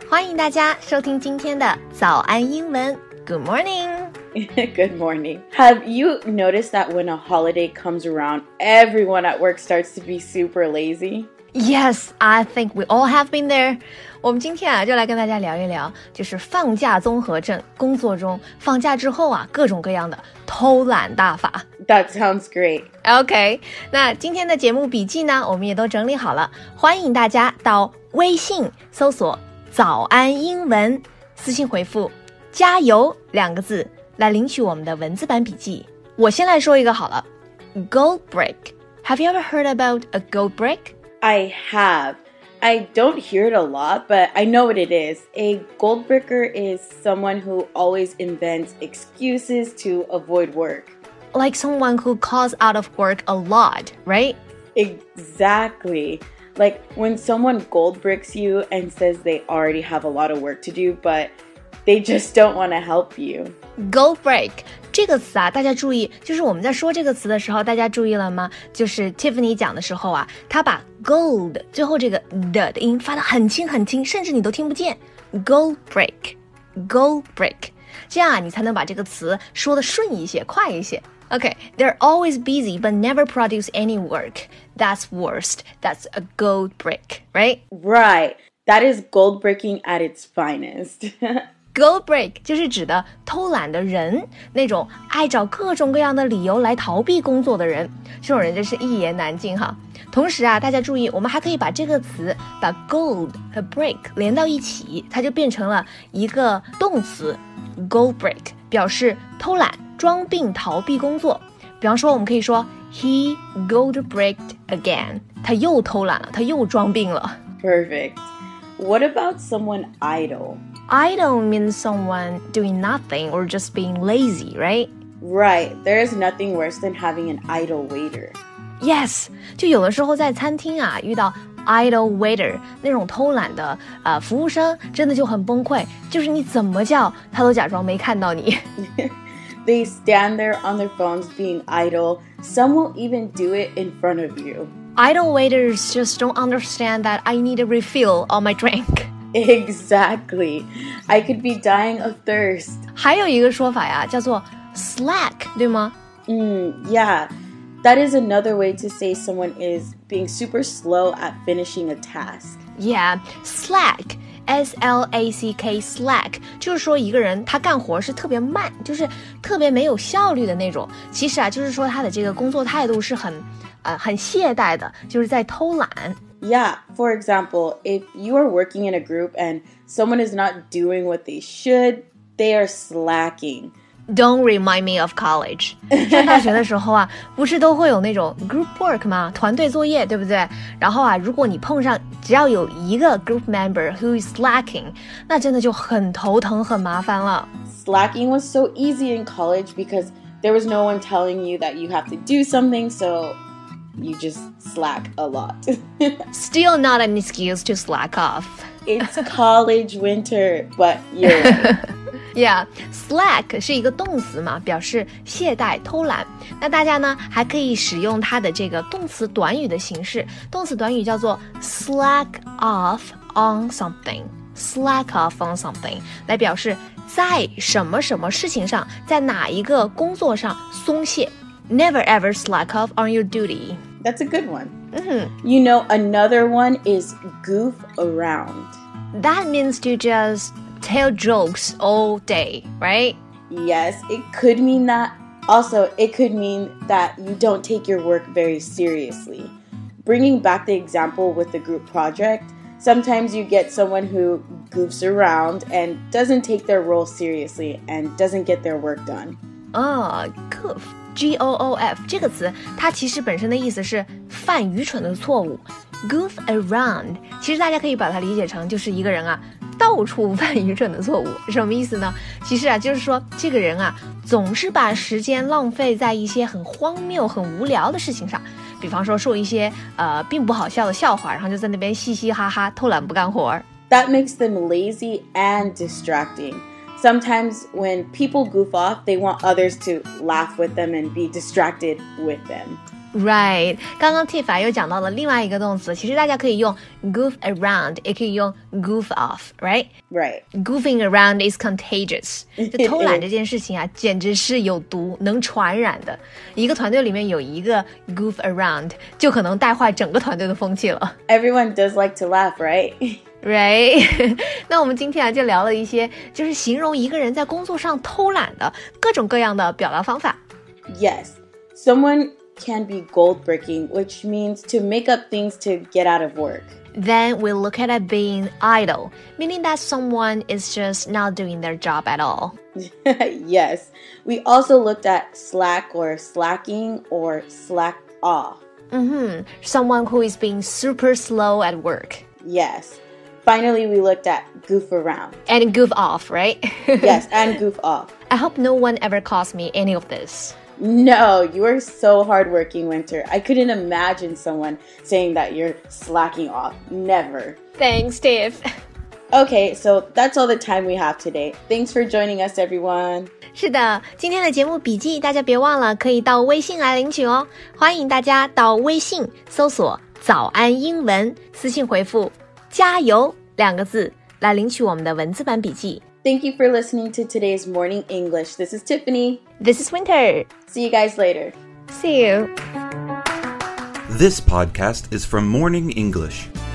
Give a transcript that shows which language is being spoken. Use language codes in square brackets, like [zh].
[zh] 欢迎大家收听今天的早安英文。 [en] Good morning. Good morning. Have you noticed that when a holiday comes around, everyone at work starts to be super lazy? Yes, I think we all have been there. [zh] 我们今天啊，就来跟大家聊一聊，就是放假综合症，工作中，放假之后啊，各种各样的偷懒大法。 [en] That sounds great. [zh] Okay, 那今天的节目笔记呢，我们也都整理好了，欢迎大家到微信搜索早安英文，私信回复加油两个字，来领取我们的文字版笔记。我先来说一个好了， Gold break. [en] Have you ever heard about a gold break? I have. I don't hear it a lot, but I know what it is. A gold bricker is someone who always invents excuses to avoid work. Like someone who calls out of work a lot, right? Exactly. Like when someone gold bricks you and says they already have a lot of work to do, but they just don't want to help you. Gold break. [zh] 这个词啊，大家注意，就是我们在说这个词的时候，大家注意了吗？就是 Tiffany 讲的时候啊，她把 gold 最后这个 the 的音发得很轻很轻，甚至你都听不见。 Gold break, gold break， 这样啊，你才能把这个词说得顺一些，快一些。 [en] Okay, they're always busy but never produce any work. That's worst. That's a gold break, right? Right. That is gold breaking at its finest. [zh] Gold break 就是指的偷懒的人，那种爱找各种各样的理由来逃避工作的人，这种人真是一言难尽哈。同时啊，大家注意，我们还可以把这个词把 gold 和 break 连到一起，它就变成了一个动词 gold break， 表示偷懒、装病、逃避工作。比方说，我们可以说 [en] he gold breaked again， [zh] 他又偷懒了，他又装病了。 [en] Perfect. What about someone idle? Idle means someone doing nothing or just being lazy, right? Right. There is nothing worse than having an idle waiter. Yes. [zh] 就有的时候在餐厅啊，遇到 idle waiter 那种偷懒的服务生，真的就很崩溃。就是你怎么叫，他都假装没看到你。 [en] They stand there on their phones being idle. Some will even do it in front of you. Idle waiters just don't understand that I need a refill on my drink. Exactly. I could be dying of thirst. [zh] 还有一个说法呀，叫做 slack, 对吗？ [en] Yeah. That is another way to say someone is being super slow at finishing a task. Yeah, slack. S-L-A-C-K, slack. [zh] 就是说一个人他干活是特别慢，就是特别没有效率的那种。其实啊，就是说他的这个工作态度是很懈怠的，就是在偷懒。 [en] Yeah, for example, if you are working in a group and someone is not doing what they should, they are slacking. Don't remind me of college. [zh] 上大学的时候啊，不是都会有那种 group work 吗？团队作业，对不对？然后啊，如果你碰上只要有一个 [en] group member who is slacking, [zh] 那真的就很头疼，很麻烦了。 [en] Slacking was so easy in college because there was no one telling you that you have to do something, so... You just slack a lot. Still not an excuse to slack off. It's college winter, but you're right. [zh] Yeah, slack 是一个动词嘛，表示懈怠、偷懒。那大家呢，还可以使用它的这个动词短语的形式。动词短语叫做 slack off on something. [en] Slack off on something [zh] 来表示在什么什么事情上，在哪一个工作上松懈。 [en] Never ever slack off on your duty. That's a good one. Mm-hmm. You know, another one is goof around. That means to just tell jokes all day, right? Yes, it could mean that. Also, it could mean that you don't take your work very seriously. Bringing back the example with the group project, sometimes you get someone who goofs around and doesn't take their role seriously and doesn't get their work done. Oh, goof. [zh] G-O-O-F 这个词它其实本身的意思是犯愚蠢的错误 Goof around 其实大家可以把它理解成就是一个人啊到处犯愚蠢的错误什么意思呢其实啊就是说这个人啊总是把时间浪费在一些很荒谬很无聊的事情上比方说说一些并不好笑的笑话然后就在那边嘻嘻哈哈偷懒不干活 [en] That makes them lazy and distractingSometimes when people goof off, they want others to laugh with them and be distracted with them. Right. [zh] 刚刚 Tiff 又讲到了另外一个动词，其实大家可以用 goof around, 也可以用 goof off, [en] right? Right. Goofing around is contagious. [zh] 就偷懒这件事情啊，简直是有毒，能传染的。一个团队里面有一个 goof around, 就可能带坏整个团队的风气了。 [en] Everyone does like to laugh, right? Right. [zh] 那我们今天啊就聊了一些就是形容一个人在工作上偷懒的各种各样的表达方法。 [en] Yes. Someone... can be goal breaking, which means to make up things to get out of work. Then we look at it being idle, meaning that someone is just not doing their job at all. Yes. We also looked at slack or slacking or slack off. Mm-hmm. Someone who is being super slow at work. Yes. Finally, we looked at goof around. And goof off, right? Yes, and goof off. I hope no one ever calls me any of this. No, you are so hardworking, Winter. I couldn't imagine someone saying that you're slacking off. Never. Thanks, Steve. Okay, so that's all the time we have today. Thanks for joining us, everyone. [zh] 是的，今天的节目笔记大家别忘了可以到微信来领取哦。欢迎大家到微信搜索早安英文，私信回复加油两个字来领取我们的文字版笔记。 [en] Thank you for listening to today's Morning English. This is Tiffany. This is Winter. See you guys later. See you. This podcast is from Morning English.